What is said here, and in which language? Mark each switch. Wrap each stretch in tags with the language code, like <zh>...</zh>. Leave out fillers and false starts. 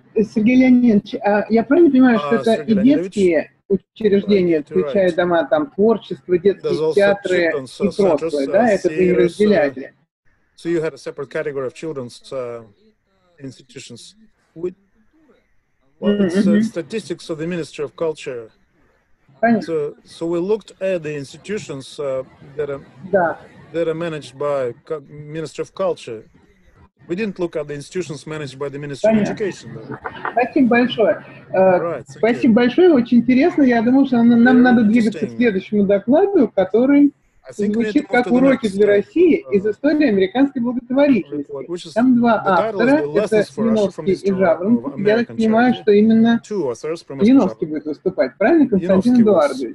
<ru>Сергей Леонидович, я правильно понимаю, что это и детские учреждения, включая дома там творчества, детские театры и прочее, да? Это вы не разделяете?</ru> <en>So you had a separate category of children's institutions. Statistics of the Ministry of Culture. So we looked at the institutions that are managed by Ministry of Culture. We didn't look at the institutions managed by the Ministry of Education.</en> <ru>Спасибо большое. Спасибо большое, очень интересно. Я думал, что нам надо двигаться к следующему докладу, который звучит как уроки для России из истории американской благотворительности. Там два автора, это Смирновский и Жаворонков. Я так понимаю, что именно Смирновский будет выступать, правильно, Константин Эдуардович?</ru>